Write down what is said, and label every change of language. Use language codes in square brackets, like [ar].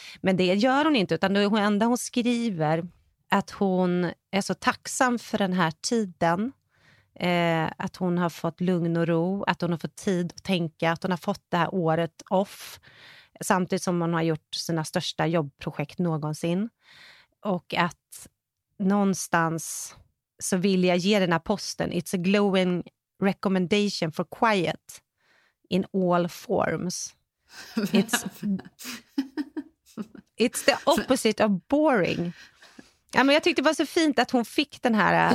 [sv] Men det gör hon inte, utan det enda hon skriver att hon är så tacksam för den här tiden, att hon har fått lugn och ro, att hon har fått tid att tänka, att hon har fått det här året off samtidigt som hon har gjort sina största jobbprojekt någonsin, och att någonstans så vill jag ge den här posten, [en] it's a glowing recommendation for quiet in all forms. It's the opposite of boring. [sv] Ja, men jag tyckte det var så fint att hon fick den här.